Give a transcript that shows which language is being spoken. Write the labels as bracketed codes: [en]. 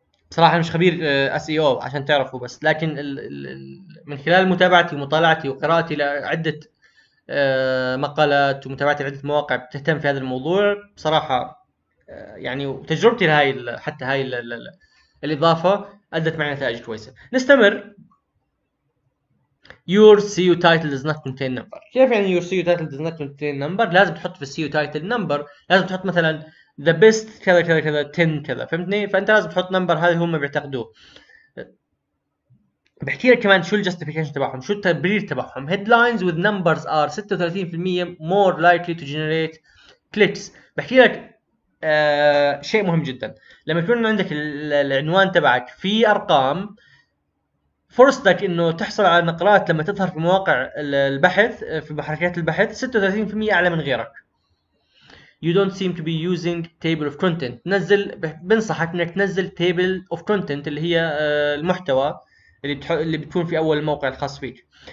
[ar] بصراحه مش خبير اس اي او عشان تعرفوا، بس لكن من خلال متابعتي ومطالعتي وقراءتي لعده مقالات ومتابعتي لعده مواقع بتهتم في هذا الموضوع بصراحه، يعني وتجربتي لهي حتى هاي الاضافه ادت معي نتائج كويسه. نستمر. [en] Your CU title does not contain number. [ar] كيف يعني [en] your CU title does not contain number؟ [ar] لازم تحط في CU title number، لازم تحط مثلا [en] the best [ar] كذا كذا كذا 10 كذا، فهمتني؟ فانت لازم تحط number هذا هم بيعتقدوه. بحكي لك كمان شو الجستيفيكيشن تبعهم، شو التبرير تبعهم. [en] Headlines with numbers are 36% more likely to generate clicks. [ar] بحكي لك شيء مهم جدا، لما يكون عندك العنوان تبعك في ارقام، فرصتك انه تحصل على نقرات لما تظهر في مواقع البحث في محركات البحث 36% اعلى من غيرك. [en] You don't seem to be using table of content. [ar] نزل، بنصحك انك تنزل [en] table of content [ar] اللي هي المحتوى اللي بتكون في اول الموقع الخاص فيك.